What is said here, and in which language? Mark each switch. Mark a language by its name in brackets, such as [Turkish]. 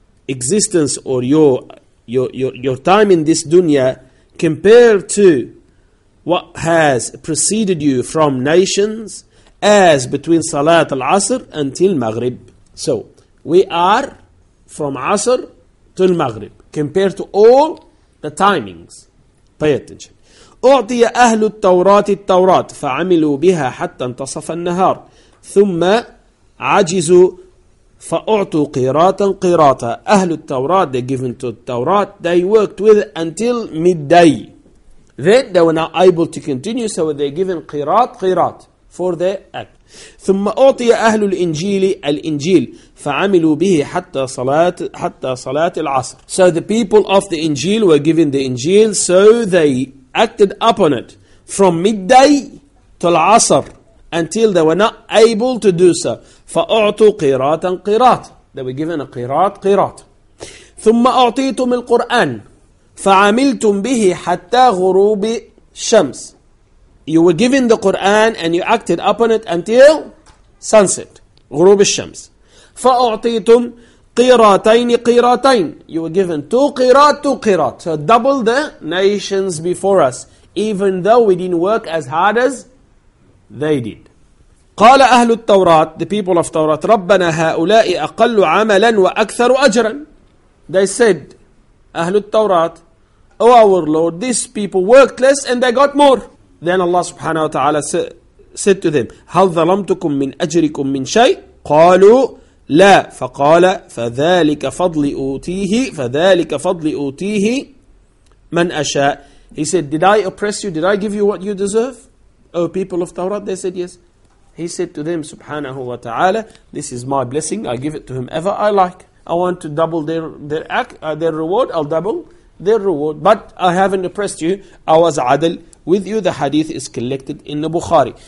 [English] existence or your time in this dunya compared to what has preceded you from nations as between Salat al-Asr until Maghrib. So, we are from Asr till Maghrib compared to all the timings. Pay attention. [Arabic] أعطي أهل التوراة التوراة فعملوا بها حتى انتصف النهار ثم عجزوا فأعطوا قيراتا قيراتا. [English] أهل التوراة, they given to the Torah, they worked with it until midday. Then they were not able to continue, so they given قيرات قيرات for the act. [Arabic] ثم أعطي أهل الإنجيل الإنجيل فعملوا به حتى صلاة العصر. [English] So the people of the Injil were given the Injil, so they acted upon it from midday till Asr, until they were not able to do so. [Arabic] فأعطوا قيرات قيرات, [English] they were given a [Arabic] قيرات قيرات. ثم أعطيتم القرآن فعملتم به حتى غروب الشمس. [English] You were given the Quran and you acted upon it until sunset, [Arabic] غروب الشمس. فأعطيتم قيراتين قيراتين. [English] You were given two قيرات. So double the nations before us, even though we didn't work as hard as they did. [Arabic] قال أهل التوراة, [English] the people of Torah, [Arabic] ربنا هؤلاء أقل عملا وأكثر أجرا. [English] They said, أهل التوراة, oh our Lord, these people worked less and they got more. Then Allah subhanahu wa ta'ala said to them, [Arabic] هل ظلمتكم من أجركم من شيء؟ قالوا لا. فقال فذلك فضل أوتيه, فذلك فضل أوتيه من أشاء. [English] He said, did I oppress you? Did I give you what you deserve? Oh people of Torah, they said yes. He said to them, subhanahu wa ta'ala, this is my blessing, I give it to whomever I like. I want to double their reward, I'll double their reward. But I haven't oppressed you, I was adil with you. The hadith is collected in the Bukhari.